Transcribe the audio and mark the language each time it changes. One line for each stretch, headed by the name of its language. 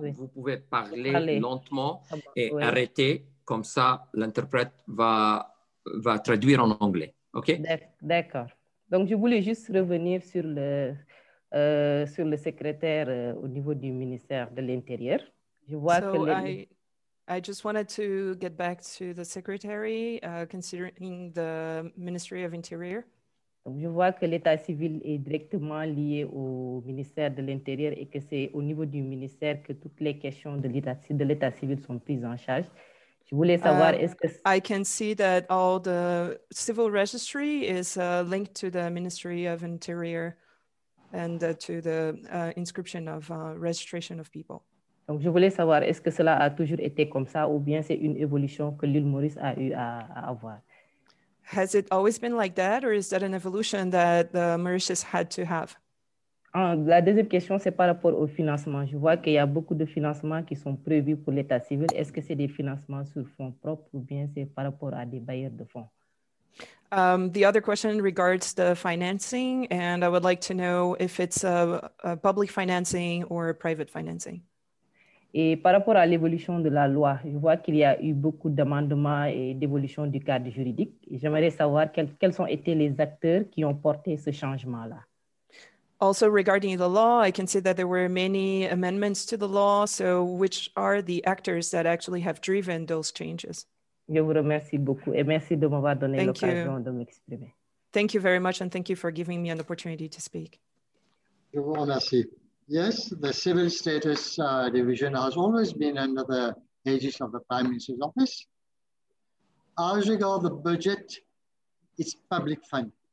French: Oui. Vous pouvez parler lentement et arrêter. Comme ça, l'interprète va traduire en anglais. OK? D'accord. Donc, je voulais juste revenir sur le... sur le secrétaire au niveau du ministère de l'Intérieur. Je vois so que les...
English: I just wanted to get back to the secretary considering the Ministry of Interior.
French: Donc, je vois que l'état civil est directement lié au ministère de l'Intérieur et que c'est au niveau du ministère que toutes les questions de l'état civil sont prises en charge. Je voulais savoir est-ce que...
English: I can see that all the civil registry is linked to the Ministry of Interior. And to the inscription of registration of people.
French: Donc, je voulais savoir, est-ce que cela a toujours été comme ça, ou bien c'est une évolution que l'île Maurice a eu à avoir?
English: Has it always been like that, or is that an evolution that the Mauritius had to have?
French: La deuxième question, c'est par rapport au financement. Je vois qu'il y a beaucoup de financements qui sont prévus pour l'état civil. Est-ce que c'est des financements sur fonds propres, ou bien c'est par rapport à des bailleurs de fonds?
English: The other question regards the financing, and I would like to know if it's a public financing or a private financing.
French: Et par rapport à l'évolution de la loi, je vois qu'il y a eu beaucoup d'amendements et d'évolution du cadre juridique. Et j'aimerais savoir quels ont été les acteurs qui ont porté ce changement-là.
English: Also regarding the law, I can see that there were many amendments to the law. So which are the actors that actually have driven those changes?
French: Je vous remercie beaucoup et merci de m'avoir donné l'occasion de m'exprimer.
English: Thank you very much and thank you for giving me an opportunity to speak.
French: Je vous remercie.
English: Yes, the civil status division has always been under the aegis of the Prime Minister's office. As regards the budget, it's public fund.